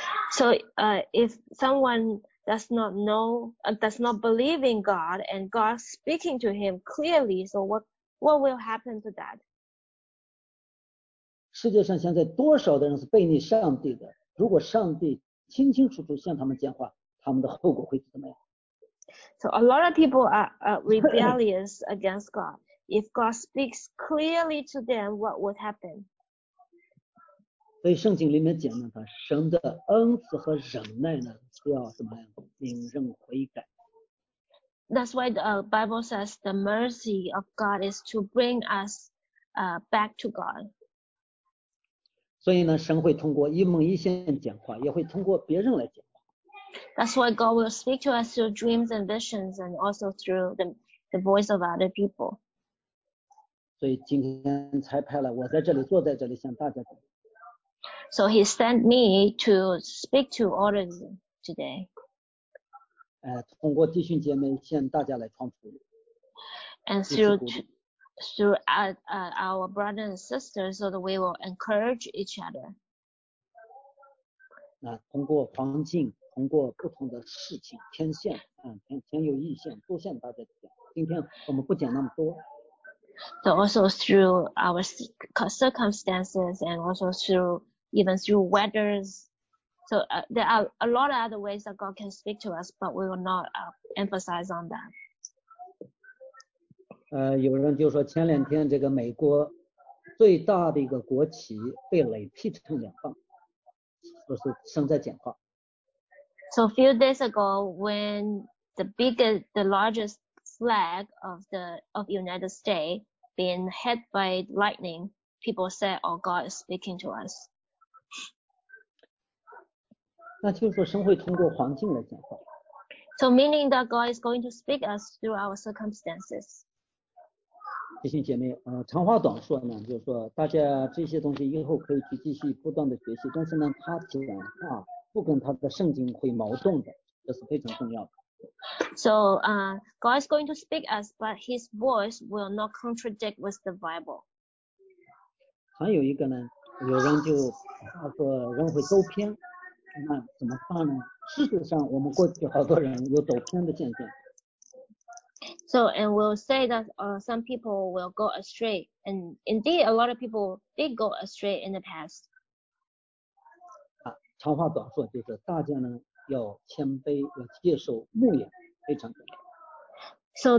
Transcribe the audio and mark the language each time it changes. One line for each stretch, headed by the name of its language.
English: So, if someone does not know, does not believe in God, and God speaking to him clearly, so what will happen to that?
Chinese: 世界上现在多少的人是背逆上帝的？如果上帝清清楚楚向他们讲话，他们的后果会怎么样？
English: So a lot of people are rebellious against God. If God speaks clearly to them, what would happen?
Chinese: 所以圣经里面讲呢，他神的恩慈和忍耐呢，是要什么样？领人悔改。
English: That's why the Bible says the mercy of God is to bring us back to God.
Chinese: 所以呢，神会通过一梦一现讲话，也会通过别人来讲。
English: That's why God will speak to us through dreams and visions and also through the voice of other people.
Chinese: 所以今天才派了我在这里坐在这里向大家讲。
English: So he sent me to speak to all of you today.
Chinese: 通过弟兄姐妹向大家来传福音。
English: And through our brothers and sisters so that we will encourage each other.
Chinese: 那通过环境。通过不同的事情天象天有异象都向大家讲，今天我们不讲那么多。
English: So also through our circumstances and also through even through weathers, so there are a lot of other ways that God can speak to us, but we will not emphasize on that.
Chinese: 有人就说前两天这个美国最大的一个国旗被雷劈成两半，就是生在讲话。
English: So a few days ago, when the largest flag of the United States being hit by lightning, people say, "Oh, God is speaking to us."
Chinese: 那就是说，神会通过环境来讲话。
English: So meaning that God is going to speak us through our circumstances.
Chinese: 弟兄姐妹，长话短说呢，就是说，大家这些东西以后可以去继续不断的学习，但是呢，他讲话不跟他的圣经会矛盾的，这是非常重要的。
English: So, God is going to speak us, but His voice will not contradict with the Bible.
Chinese: 还有一个呢，有人就他说人会走偏，那怎么办呢？事实上，我们过去好多人有走偏的现象。
English: So, and we'll say that some people will go astray, and indeed, a lot of people did go astray in the past.
Chinese: 啊，长话短说，就是大家呢。要谦卑，要接受牧养，非常重要。